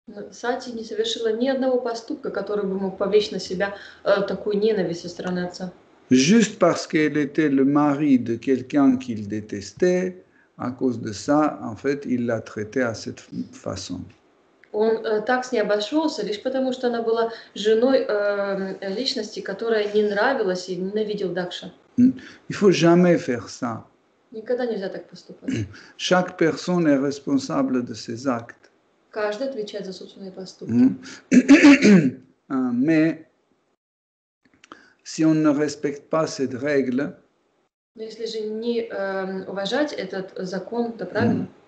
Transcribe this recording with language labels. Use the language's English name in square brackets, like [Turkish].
[Russian] Sati не совершила ни одного поступка, который бы мог повлечь на себя такую ненависть со стороны отца. [French] Juste parce qu'elle était le mari de quelqu'un qu'il détestait. À cause de ça, en fait, il l'a traité à cette façon. [Russian] Он так с ней обошелся, лишь потому, что она была женой личности, которая не нравилась и ненавидел Дакша. [French] Il faut jamais faire ça. [Russian] Никогда нельзя так поступать. [French] Chaque personne est responsable de ses actes. [Russian] Каждый отвечает за собственные поступки. [French] Mais si on ne respecte pas cette règle, [Russian] но если же не уважать этот закон, то правильно?